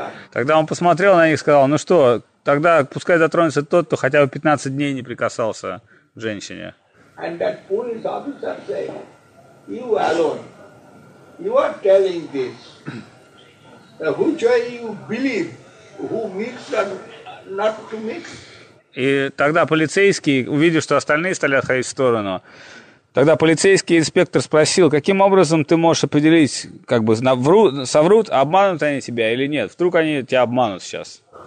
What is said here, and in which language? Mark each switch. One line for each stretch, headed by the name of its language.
Russian: Тогда он посмотрел на них и сказал, ну что, тогда пускай дотронется тот, кто хотя бы 15 дней не прикасался к женщине.
English: And that police officer said, you alone, you are telling this. Which way you believe, who mixed and not to mix?
Russian: И тогда полицейский, увидев, что остальные стали отходить в сторону, Тогда полицейский инспектор спросил, каким образом ты можешь определить, как бы соврут, обманут они тебя или нет? Вдруг они тебя обманут сейчас?